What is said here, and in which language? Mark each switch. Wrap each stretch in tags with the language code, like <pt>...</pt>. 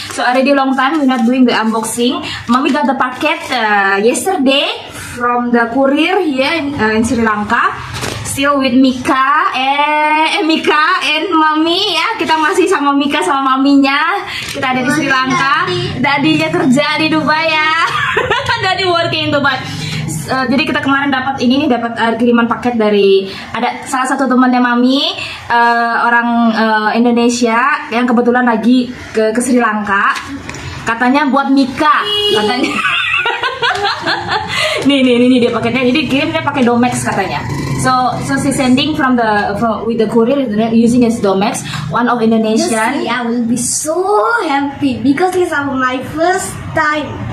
<en>So already long time we not doing the unboxing. Mami got the packet yesterday from the courier here in Sri Lanka. Still with Mika Mika and Mami ya.</en> <id>Kita masih sama Mika sama maminya. Kita ada di Sri Lanka. Dadinya kerja di Dubai ya.</id> <en>Daddy working in Dubai.</en> <id>Jadi kita kemarin dapat ini nih, dapat kiriman paket dari ada salah satu temannya Mami, orang Indonesia yang kebetulan lagi ke Sri Lanka. Katanya buat Mika, katanya. nih dia paketnya. Jadi kirimnya pakai Domex katanya.</id> <en>So she sending with the courier using his Domex, one of Indonesian. Yes, I will be so happy because this is my first time.</en>